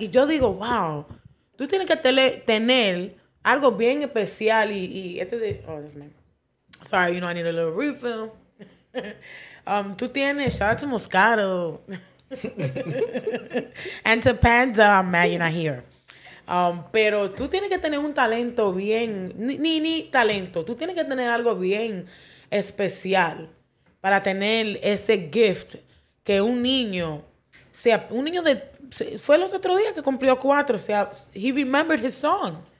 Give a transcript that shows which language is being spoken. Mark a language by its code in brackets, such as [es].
[es] Y yo digo, [en] wow, [es] tú tienes que tener algo bien especial. Y este de, [en] oh, this man. Sorry, you know, I need a little refill. [es] tú tienes, [en] shout out to Moscato. And to Panda, I'm mad you're not here. [es] Pero tú tienes que tener un talento bien, ni talento, tú tienes que tener algo bien especial para tener ese gift que un niño, sea un niño de, fue los otros días que cumplió 4, o sea, [en] he remembered his song.